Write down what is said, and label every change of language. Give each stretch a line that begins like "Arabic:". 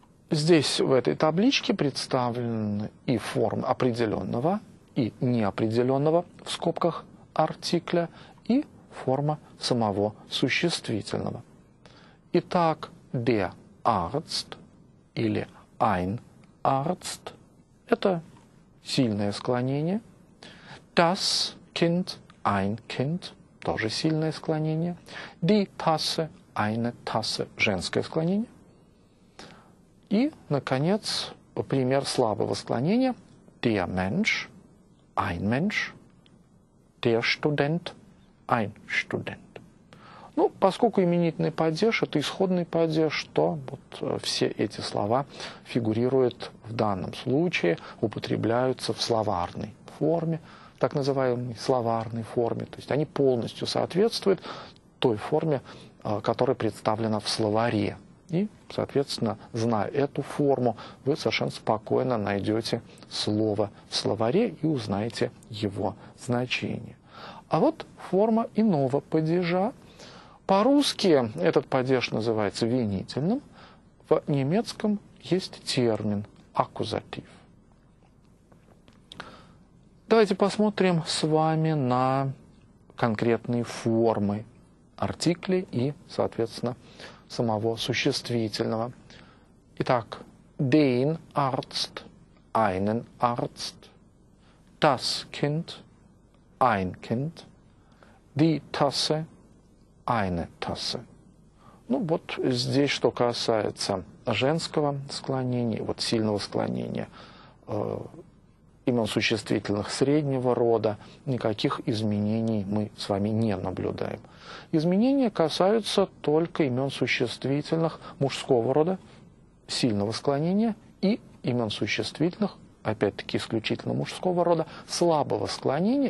Russian: Здесь в этой табличке представлены и формы определенного и неопределенного в скобках артикля, и форма самого существительного. Итак,
German: der Arzt
Russian: или
German: ein Arzt
Russian: – это сильное склонение.
German: Das Kind, ein Kind –
Russian: тоже сильное склонение.
German: Die Tasse, eine Tasse –
Russian: женское склонение. И, наконец, пример слабого склонения
German: – der Mensch, ein Mensch, der Student, ein Student.
Russian: Ну, поскольку именительный падеж – это исходный падеж, то вот все эти слова фигурируют в данном случае, употребляются в словарной форме, так называемой словарной форме. То есть они полностью соответствуют той форме, которая представлена в словаре. И, соответственно, зная эту форму, вы совершенно спокойно найдете слово в словаре и узнаете его значение. А вот форма иного падежа. По-русски этот падеж называется винительным. В немецком есть термин «аккузатив». Давайте посмотрим с вами на конкретные формы артиклей и, соответственно, самого существительного. Итак,
German: den Arzt, einen Arzt, das Kind, ein Kind, die Tasse, eine Tasse.
Russian: Ну вот здесь, что касается женского склонения, вот сильного склонения имен существительных среднего рода, никаких изменений мы с вами не наблюдаем. Изменения касаются только имен существительных мужского рода, сильного склонения, и имен существительных, опять-таки, исключительно мужского рода, слабого склонения.